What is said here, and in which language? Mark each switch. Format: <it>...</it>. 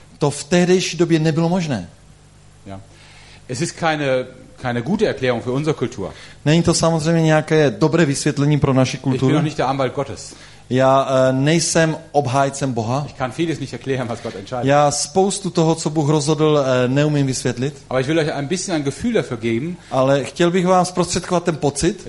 <cs>To v tehdejší době nebylo možné.</cs> <de>Ja. Es ist keine gute Erklärung für unsere Kultur.</de> <cs>Není to samozřejmě nějaké dobré vysvětlení pro naši kulturu.</cs> <de>Ich bin auch nicht der Anwalt Gottes.</de> <cs>Já nejsem obhájcem Boha.</cs> <de>Ich kann vieles nicht erklären, was Gott entscheidet.</de> <cs>Já spoustu toho, co Bůh rozhodl, neumím vysvětlit.</cs> <de>Aber ich will euch ein bisschen ein Gefühl dafür geben.</de> <cs>Ale chtěl bych vám zprostředkovat ten pocit,</cs>